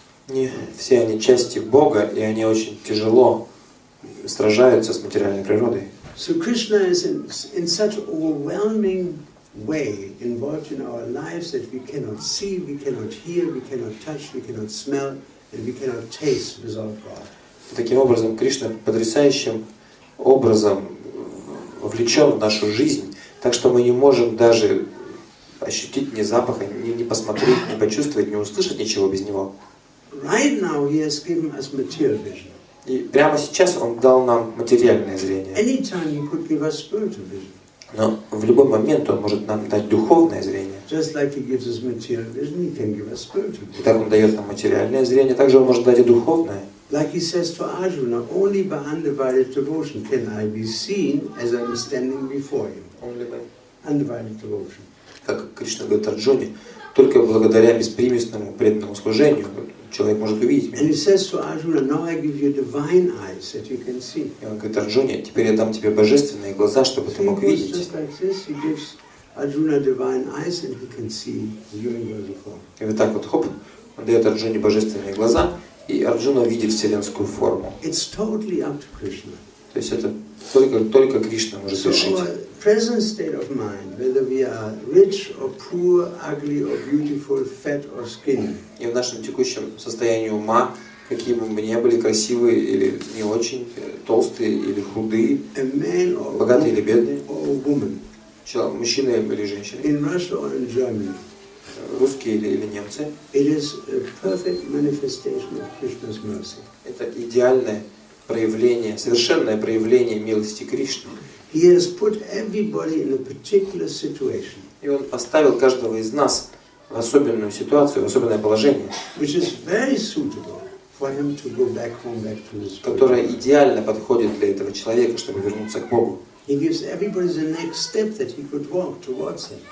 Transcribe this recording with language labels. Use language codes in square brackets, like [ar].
[ru] Не все они части Бога, и они очень тяжело сражаются с материальной природой. [en] So Krishna is in such overwhelming way involved in our lives that we cannot see, we cannot hear, we cannot touch, we cannot smell, and we cannot taste without God. [ru] Таким образом, Кришна потрясающим образом вовлечен в нашу жизнь, так что мы не можем даже ощутить ни запаха, ни посмотреть, ни почувствовать, ни услышать ничего без него. [en] Right now he has given us material vision. [ru] И прямо сейчас он дал нам материальное зрение. [en] Anytime he could give us spiritual vision. [ru] Но в любой момент он может нам дать духовное зрение. [en] Just like he gives us material vision, he can give us spiritual vision. [ru] И так он дает нам материальное зрение, также он может дать и духовное. [en] Like he says to Arjuna, only by undivided devotion can I be seen as I'm standing before him. Only by undivided devotion. [ru] Как Кришна говорит Арджуне, только благодаря беспримесному преданному служению человек может увидеть меня. [en] And he says to Arjuna, now I give you divine eyes that you can see. [ru] И он говорит Арджуне, теперь я дам тебе божественные глаза, чтобы ты мог видеть. [en] Just like this, he gives Arjuna divine eyes and he can see you in your form. [ru] И вот так вот хоп, он дает Арджуне божественные глаза, и Арджуна видит вселенскую форму. [en] It's totally up to Krishna. [ru] То есть это только Кришна может решить. [en] Present state of mind, whether we are rich or poor, ugly or beautiful, fat or skinny. [ru] И в нашем текущем состоянии ума, какие бы мы ни были, красивые или не очень, толстые или худые, [en] a man or [ru] богатые или бедные, [en] or a woman. [ru] Мужчины или женщины, [en] in Russia or in Germany, [ru] русские или немцы, [en] it is a perfect manifestation of Krishna's mercy. [ru] Это идеальное проявление, совершенное проявление милости Кришны. [en] He has put everybody in a particular situation. [ru] И он поставил каждого из нас в особенную ситуацию, в особенное положение, [en] which is very suitable for him to go back home, back to his. [ru] Которое идеально подходит для этого человека, чтобы вернуться к Богу. [en] He gives everybody the next step that he could walk towards him.